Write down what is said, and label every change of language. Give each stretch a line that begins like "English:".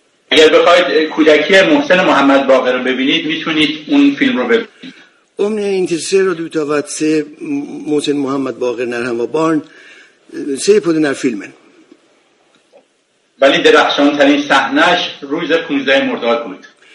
Persian: اگر بخواید کودکی محسن محمد باقر رو ببینید میتونید اون فیلم رو ببینید.
Swedish: Om ni är intresserad utav att se Mohsen Mohammad Baqir när han var barn, se på den här filmen.
Persian: ولی درخشان‌ترین صحنه‌اش روز 15 مرداد بود.